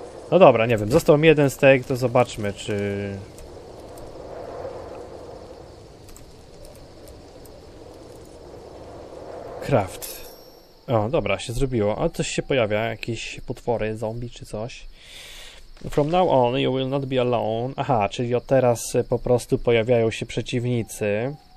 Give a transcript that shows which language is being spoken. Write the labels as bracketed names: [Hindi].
[Polish] No dobra, nie wiem, został mi jeden stek, to zobaczmy, czy... Craft. O, dobra, się zrobiło. A coś się pojawia, jakieś potwory, zombie czy coś. [English] From now on you will not be alone. [Polish] Aha, czyli od teraz po prostu pojawiają się przeciwnicy.